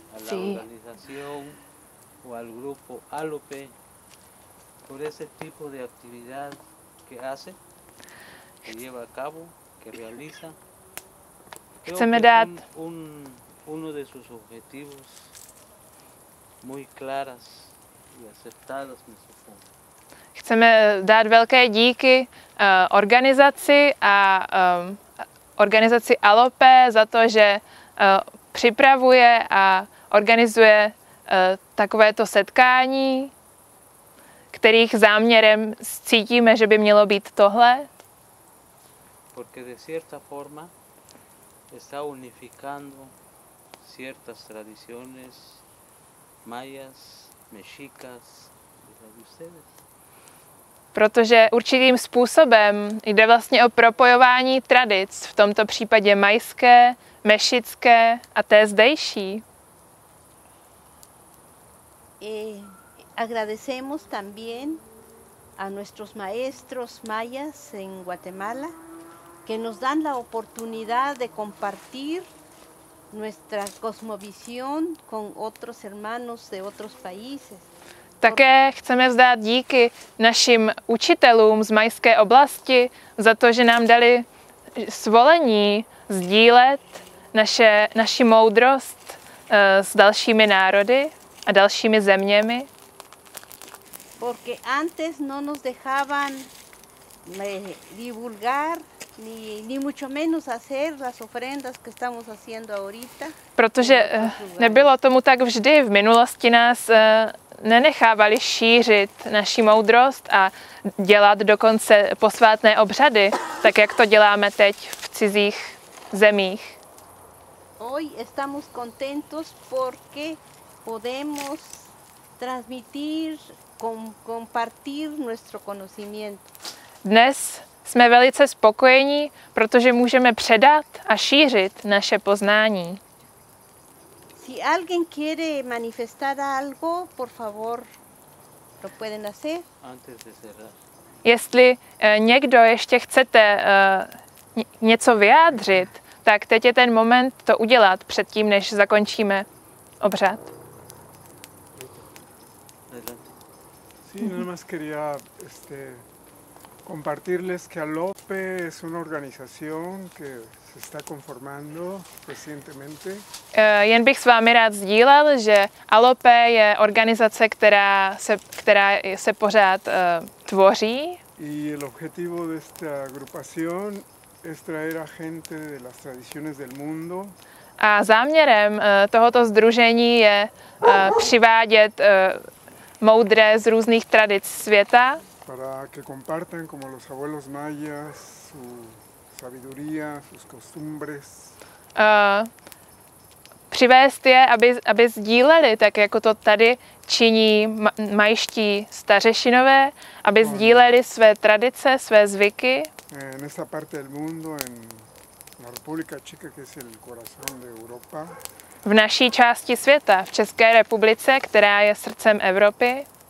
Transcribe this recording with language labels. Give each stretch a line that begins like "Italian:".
Spanish: A la organización o al grupo ALOPE por ese tipo de actividad que hace, que lleva a cabo, que realiza.
Czech: Chceme dát
Spanish: uno de sus objetivos muy claras y aceptadas, me supongo.
Czech: Chceme dát velké díky organizaci a organizaci ALOPE za to, že připravuje a organizuje takovéto setkání, kterých záměrem cítíme, že by mělo být tohle.
Spanish: Porque de cierta forma está unificando ciertas tradiciones mayas, mexicas, de ustedes.
Czech: Protože určitým způsobem jde vlastně o propojování tradic, v tomto případě majské, mešické a té zdejší.
Spanish: Agradecemos también a nuestros maestros mayas en Guatemala, que nos dan la oportunidad de compartir nuestra cosmovisión con otros hermanos de otros países.
Czech: Také chceme vzdát díky našim učitelům z majské oblasti za to, že nám dali svolení sdílet naši moudrost s dalšími národy a dalšími zeměmi.
Spanish: Porque antes no nos dejaban divulgar ni mucho menos hacer las ofrendas que estamos haciendo ahorita.
Czech: Protože nebylo tomu tak vždy, v minulosti nás nenechávali šířit naši moudrost a dělat dokonce posvátné obřady, tak jak to děláme teď v cizích zemích.
Spanish: Hoy estamos contentos porque podemos transmitir, compartir nuestro conocimiento.
Czech: Dnes jsme velice spokojení, protože můžeme předat a šířit naše poznání.
Spanish: Si alguien quiere manifestar algo, por favor, lo pueden hacer. Antes de cerrar.
Czech: Jestli někdo ještě chcete něco vyjádřit, tak teď je ten moment to udělat předtím, než zakončíme obřad.
Spanish: Sí, nada más quería compartirles que ALOPE es una organización que se está conformando recientemente.
Czech: Jen bych s vámi rád sdílel, že ALOPE je organizace, která se pořád tvoří.
Spanish: Y el objetivo de esta agrupación es traer a gente de las tradiciones del mundo.
Czech: A záměrem tohoto sdružení je přivádět moudré z různých tradic světa.
Spanish: Para que compartan como los abuelos mayas su sabiduría, sus costumbres.
Czech: Přivést je, aby sdíleli, tak jako to tady činí majští stařešinové, aby sdíleli své tradice, své zvyky.
Spanish: En esta parte del mundo, en la República Checa, que es el corazón de Europa.
Czech: V naší části světa, v České republice, která je srdcem Evropy.